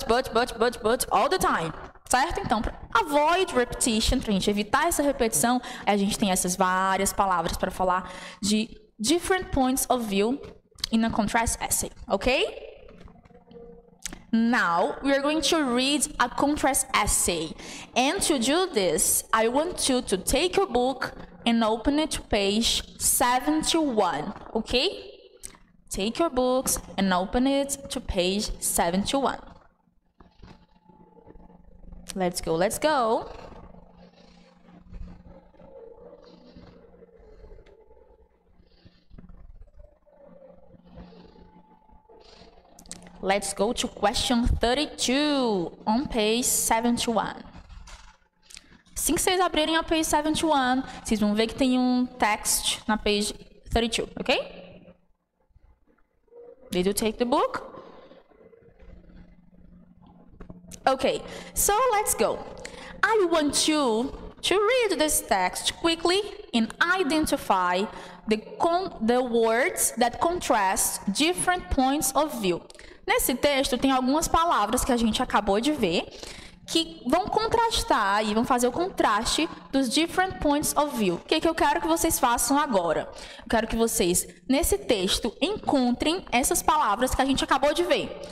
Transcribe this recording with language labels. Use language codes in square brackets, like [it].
[en] But, all the time. Certo? [pt] Então, [en] avoid repetition, [pt] para a gente evitar essa repetição, a gente tem essas várias palavras para falar de [en] different points of view in a contrast essay, [pt] ok? [en] Now, we are going to read a contrast essay. And to do this, I want you to take your book and open it to page 71, ok? Take your books and open it to page 71. Let's go. Let's go to question 32 on page 71. [pt] Assim que vocês abrirem a page 71, vocês vão ver que tem um text na page 32, ok? [en] Did you take the book? Okay, so let's go. I want you to read this text quickly and identify the words that contrast different points of view. [pt] Nesse texto tem algumas palavras que a gente acabou de ver que vão contrastar e vão fazer o contraste dos [en] different points of view. [pt] O que que eu quero que vocês façam agora? Eu quero que vocês, nesse texto, encontrem essas palavras que a gente acabou de ver.